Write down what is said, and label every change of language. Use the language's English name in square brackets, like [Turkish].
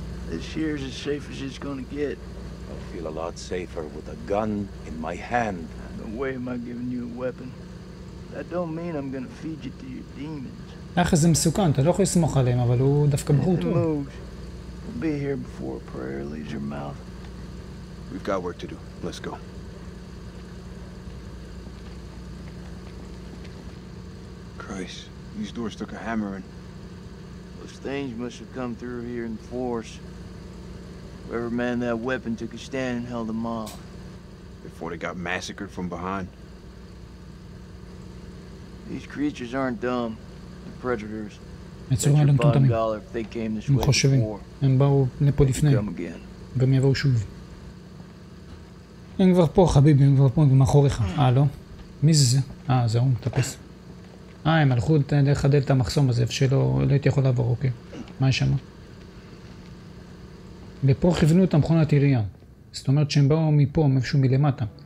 [English] This year's as safe as it's gonna get. I'll feel a lot safer with a gun in my hand. No way am I giving you a weapon. That don't mean I'm gonna feed you to your demons. [Hebrew] אחי, זה מסוכן, אתה לא יכול לסמוך עליהם, אבל הוא דווקא בחור טוב. [English] We'll be here before prayer leaves your mouth. We've got work to do. Let's go. Christ, these doors took a hammering. Those things must have come through here in force. Whoever manned that weapon took a stand and held them off. Before they got massacred from behind. These creatures aren't dumb. They're predators. It's a random thing. If they came this way before, [Hebrew] הם באו לפה לפני. והם יבואו שוב. הם כבר פה, חביבי, הם כבר פה, הם מאחוריך. לא? מי זה? זה הוא, מטפס. הם הלכו דרך הדלת המחסום הזה, שלא הייתי יכול לעבור, אוקיי. מה יש שם? לפה כיוונו את המכונת עירייה. זאת אומרת שהם באו מפה, מאיפשהו מלמטה.